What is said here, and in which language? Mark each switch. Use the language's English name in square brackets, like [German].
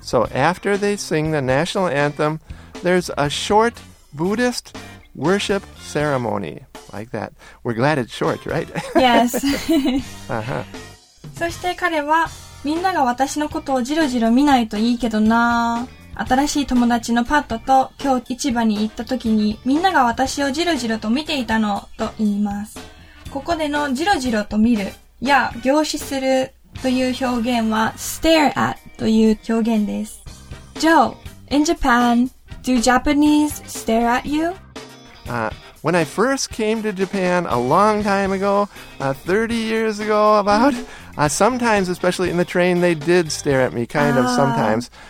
[English] So after they sing the national anthem,There's a short Buddhist worship ceremony like that. We're glad it's short, right? Yes. [Japanese] そして彼はみんなが私のことをじろじろ見ないといいけどな。新しい友達のパットと今日市場に行った時にみんなが私をじろじろと見ていたのと言います。ここでのじろじろと見るや凝視するという表現は [English] stare at [Japanese] という表現です。 [English] Joe, in Japan,Do Japanese stare at you? When I first came to Japan a long time ago, 30 years ago about, sometimes, especially in the train, they did stare at me, kind of sometimes.